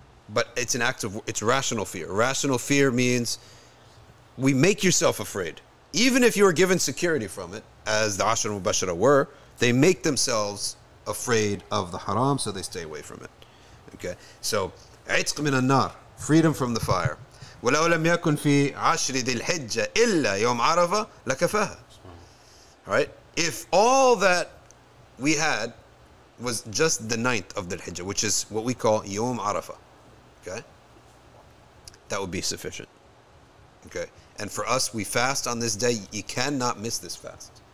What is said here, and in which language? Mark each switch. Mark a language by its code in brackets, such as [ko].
[en] But it's an act of, it's rational fear. Rational fear means we make yourself afraid. Even if you are given security from it, as the Ashr al-Mubashara were, they make themselves afraid of the haram, so they stay away from it. Okay, so [ar] عتق من النار, [en] freedom from the fire. [ar] ولو لم يكن في عشر ذي الحجة إلا يوم عرفة لكفاها. [en] Right, if all that we had was just the ninth of the Hijjah, which is what we call يوم عرفة, okay, that would be sufficient. Okay, and for us, we fast on this day. You cannot miss this fast.